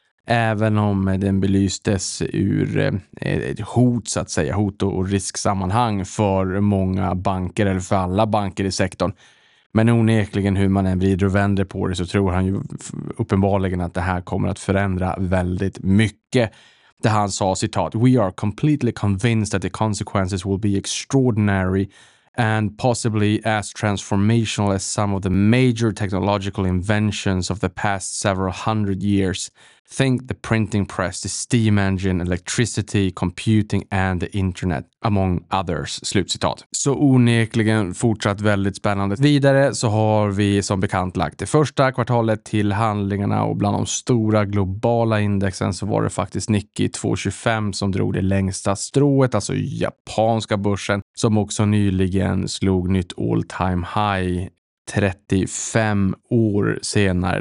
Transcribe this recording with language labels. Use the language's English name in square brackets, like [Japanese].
[Swedish] Även om den belystes ur ett hot, så att säga, hot och risksammanhang för många banker eller för alla banker i sektorn. Men onekligen, hur man än vrider och vänder på det, så tror han ju uppenbarligen att det här kommer att förändra väldigt mycket. Det han sa, citat, [English] "We are completely convinced that the consequences will be extraordinary and possibly as transformational as some of the major technological inventions of the past several hundred years. Think the printing press, the steam engine, electricity, computing and the internet, among others." [Swedish] Slutcitat. Så onekligen fortsatt väldigt spännande. Vidare så har vi som bekant lagt det första kvartalet till handlingarna och bland de stora globala indexen så var det faktiskt Nikkei 225 som drog det längsta strået, alltså japanska börsen, som också nyligen slog nytt all time high 35 år senare.